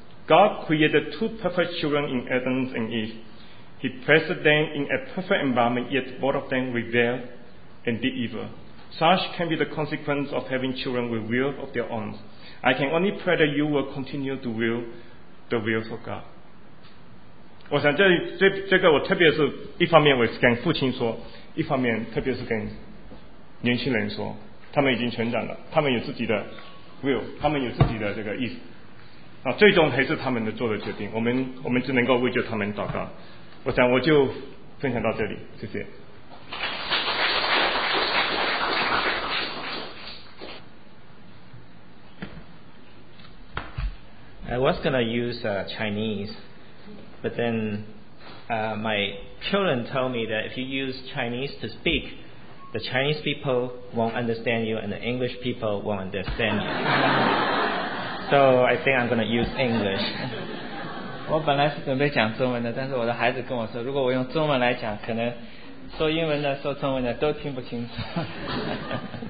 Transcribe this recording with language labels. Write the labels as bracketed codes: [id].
[en] God created two perfect children in Adam and Eve. He placed them in a perfect environment, yet both of them rebelled and did evil. Such can be the consequence of having children with will of their own. I can only pray that you will continue to will the will of God. [zh] 我想这个我特别是一方面我跟父亲说，一方面特别是跟年轻人说，他们已经成长了，他们有自己的 will， 他们有自己的这个意思，最终还是他们做的决定，我们只能够为着他们祷告。我想我就分享到这里，谢谢。 [en] I was going to use Chinese, but then my children told me that if you use Chinese to speak, the Chinese people won't understand you and the English people won't understand you. So I think I'm going to use English. [zh] 我本来是准备讲中文的，但是我的孩子跟我说，如果我用中文来讲，可能说英文的、说中文的都听不清楚。